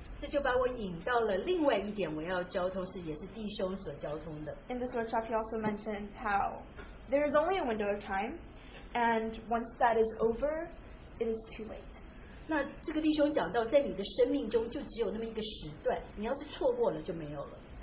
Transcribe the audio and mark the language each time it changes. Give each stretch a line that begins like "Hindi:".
Chinese: 这就把我引到了另外一点，我要交通是也是弟兄所交通的。
English: In this workshop, he also mentioned how there is only a window of time, and once that is over, it is too late.
Chinese: 那这个弟兄讲到，在你的生命中就只有那么一个时段，你要是错过了就没有了。